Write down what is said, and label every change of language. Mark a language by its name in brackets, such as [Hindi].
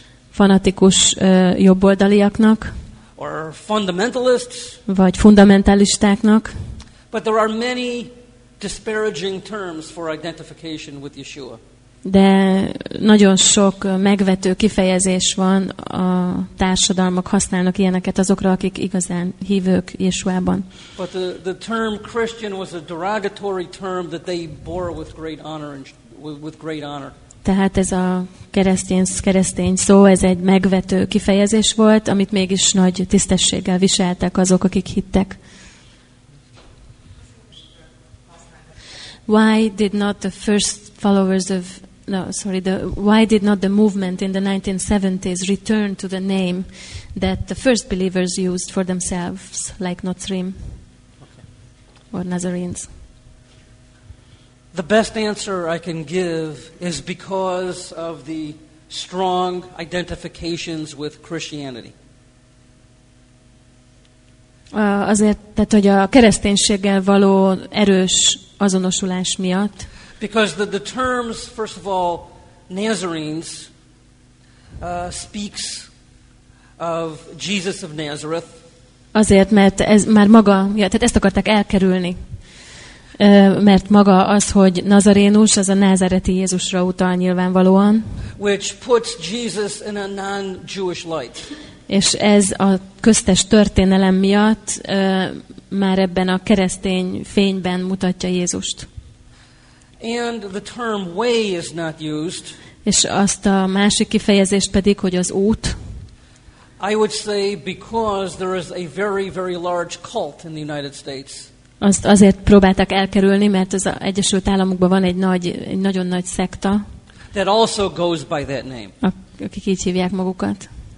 [Hungarian] Fanatikus jobboldaliaknak. [English] Or fundamentalists. [Hungarian] Vagy fundamentalistáknak. [English] But there are many disparaging terms for identification with Yeshua. [Hungarian] De nagyon sok megvető kifejezés van, a társadalmak használnak ilyeneket azokra, akik igazán hívők Jézusban. [English] But the term Christian was a derogatory term that they bore with great honor and with great honor. [Hungarian] Tehát ez a keresztény szó, ez egy megvető kifejezés volt, amit mégis nagy tisztességgel viseltek azok, akik hittek. [English] Why did not the first followers of why did not the movement in the 1970s return to the name that the first believers used for themselves, like Nazarene or Nazarenes? The best answer I can give is because of the strong identifications with Christianity. [Hungarian] Azért, tehát, hogy a kereszténységgel való erős azonosulás miatt. [English] Because the terms, first of all, Nazarenes speaks of Jesus of Nazareth. [Hungarian] Azért, mert ez már maga, ja, tehát ezt akarták elkerülni. Mert maga az, hogy Nazarénus, az a názareti Jézusra utal nyilvánvalóan. [English] Which puts Jesus in a non-Jewish light. [Hungarian] És ez a köztes történelem miatt már ebben a keresztény fényben mutatja Jézust. [English] And the term way is not used. [Hungarian] És azt a másik kifejezést pedig, hogy az út. [English] I would say because there is a very, very large cult in the United States. [Hungarian] Azt azért próbálták elkerülni, mert az Egyesült Államokban van egy nagyon nagy szekta, [English] that also goes by that name. [Hungarian] Akik így hívják magukat.